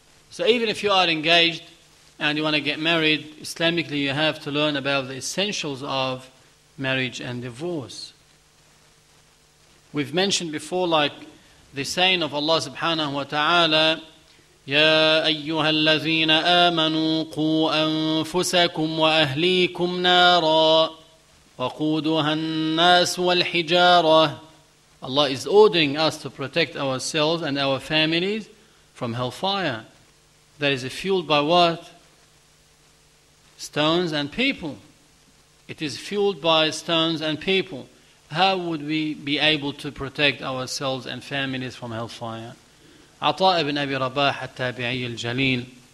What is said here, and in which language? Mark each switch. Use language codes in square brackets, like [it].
[en] So even if you are engaged and you want to get married, Islamically you have to learn about the essentials of marriage and divorce. We've mentioned before, the saying of Allah subhanahu wa ta'ala, [ar] يَا أَيُّهَا الَّذِينَ آمَنُوا قُوا أَنفُسَكُمْ وَأَهْلِيكُمْ نَارًا وَقُودُهَا النَّاسُ وَالْحِجَارَةُ. [en] Allah is ordering us to protect ourselves and our families from hellfire. That is fueled by what? Stones and people. It is fueled by stones and people. How would we be able to protect ourselves and families from hellfire? Ata ibn Abi Rabah al-Tabi'i al-Jalil,